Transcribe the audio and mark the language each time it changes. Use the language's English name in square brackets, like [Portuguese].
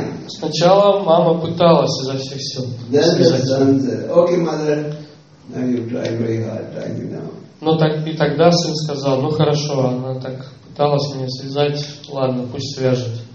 [Russian] Сначала мама пыталась изо всех сил связать. [English] Okay, mother. Now you try very hard, tie me down. [Russian] Но так и тогда сын сказал, ну хорошо, она так пыталась меня связать, ладно, пусть свяжет.